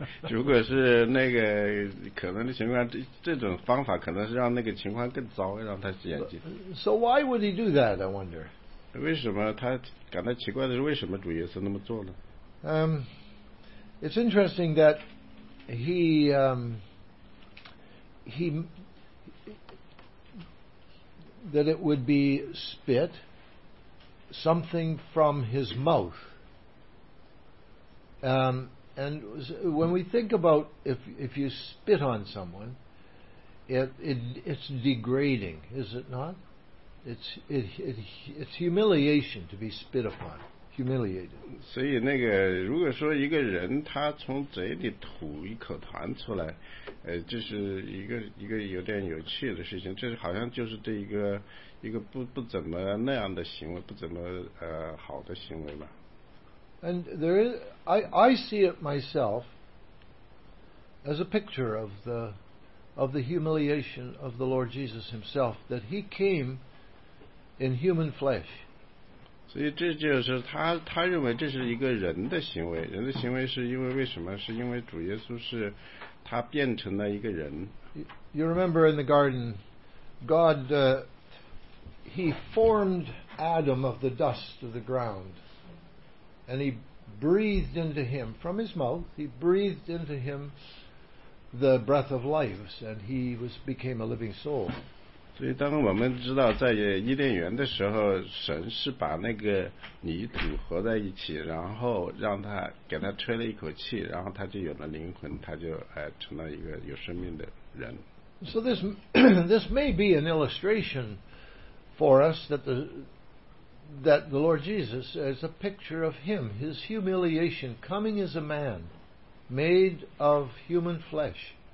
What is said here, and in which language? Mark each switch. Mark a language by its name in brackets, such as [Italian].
[Chinese] 如果是那个可能的情况，这种方法可能是让那个情况更糟，让他眼睛。 [English] So why would he do that? I wonder. [Chinese] 为什么他感到奇怪的是为什么主耶稣那么做呢？ [English] It's interesting that that it would be spit. Something from his mouth. And when we think about if you spit on someone, it's degrading, is it not? It's humiliation to be spit upon, humiliated. [Chinese] 所以那个如果说一个人他从嘴里吐一口痰出来，这是一个有点有趣的事情。这是好像就是对一个不怎么那样的行为，不怎么好的行为吧。 [English] And there is, I see it myself as a picture of the humiliation of the Lord Jesus himself, that he came in human flesh. [Chinese] 所以这就是他认为这是一个人的行为，人的行为是因为为什么？是因为主耶稣是他变成了一个人。 [English] You remember in the garden, God, he formed Adam of the dust of the ground, and he breathed into him from his mouth. He breathed into him the breath of life, and he was became a living soul. [Chinese] 所以当我们知道在伊甸园的时候，神是把那个泥土合在一起，然后让他给他吹了一口气，然后他就有了灵魂，他就成了一个有生命的人。 [English] So this may be an illustration for us that the Lord Jesus is a picture of him, his humiliation coming as a man made of human flesh.